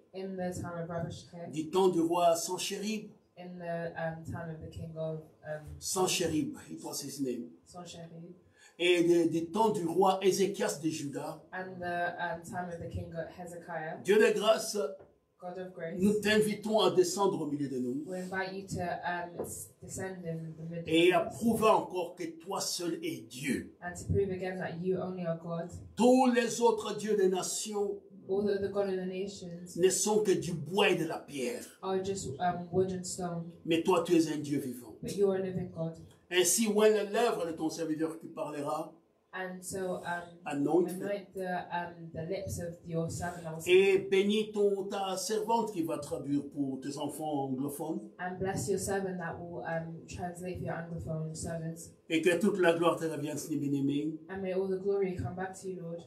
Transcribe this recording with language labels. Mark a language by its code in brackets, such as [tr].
[en] In the time of Rabshakeh, [fr] du temps du roi Sennacherib, [en] in the time of the king of Sennacherib, it was his name. Sennacherib, [fr] et du temps du roi Ézéchias de Juda, [en] and the time of the king of Hezekiah. [fr] Dieu de grâce, [en] God of grace, [fr] nous t'invitons à descendre au milieu de nous. [en] We invite you to descend in the middle. [fr] Et à prouver encore que toi seul es Dieu. [en] And to prove again that you only are God. [fr] Tous les autres dieux des nations. [en] All the God of the nations [fr] ne sont que du bois et de la pierre. [en] Are just wood and stone. [fr] Mais toi, tu es un Dieu vivant. [en] But you are a living God. [fr] Ainsi, ouvre les lèvres de ton serviteur qui parlera. [en] And so, anointe lips of your servant. [fr] Et bénis ta servante qui va traduire pour tes enfants anglophones. [en] And bless your servant that will translate for your anglophone servants. [fr] Et que toute la gloire te revienne, Seigneur bien-aimé. [en] And may all the glory come back to you, Lord.